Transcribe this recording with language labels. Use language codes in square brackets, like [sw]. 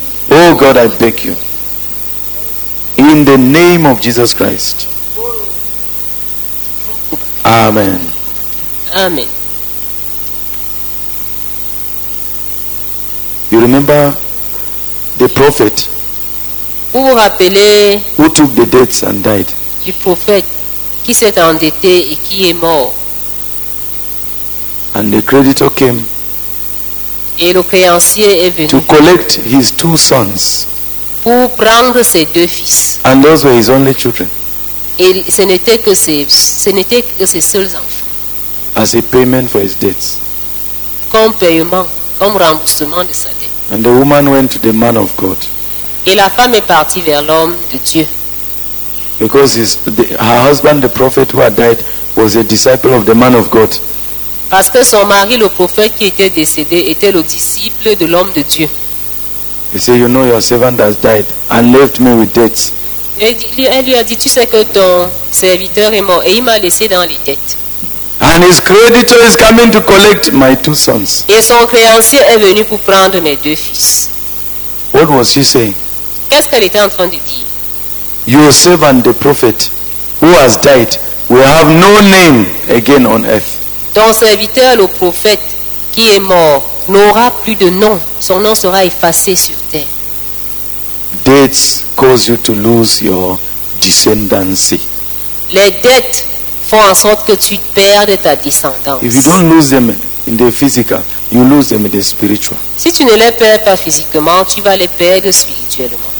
[en] Oh God, I beg you. In the name of Jesus Christ. Amen. Amen. You remember the prophet who took the debts and died. [fr] Du prophète qui s'est endetté et qui est mort. [en] And the creditor came. [fr] Et le créancier est venu. [en] To collect his two sons. [fr] Pour prendre ses deux fils. [en] And those were his only children. [fr] Et ce n'était que ses seuls enfants. [en] As a payment for his debts. [fr] Comme paiement, comme remboursement de sa dette. [en] And the woman went to the man of God. [fr] Et la femme est partie vers l'homme de Dieu. [en] Because her husband, the prophet who had died, was a disciple of the man of God. [fr] Parce que son mari, le prophète qui était décédé, était le disciple de l'homme de Dieu. [en] He said, "You know, your servant has died and left me with debts." [fr] Elle lui a dit, tu sais que ton serviteur est mort et il m'a laissé dans les dettes. [en] And his creditor is coming to collect my two sons. [fr] Et son créancier est venu pour prendre mes deux fils. [en] What was he saying? [fr] Qu'est-ce qu'elle était en train de dire? [en] Your servant, the prophet, who has died, will have no name again on earth. [fr] Ton serviteur, le prophète, qui est mort, n'aura plus de nom. Son nom sera effacé sur terre. [en] Debts cause you to lose your descendancy. [fr] Les dettes font en sorte que tu perdes ta descendance. [en] If you don't lose them in the physical, you lose them in the spiritual. [fr] Si tu ne les perds pas physiquement, tu vas les perdre spirituellement.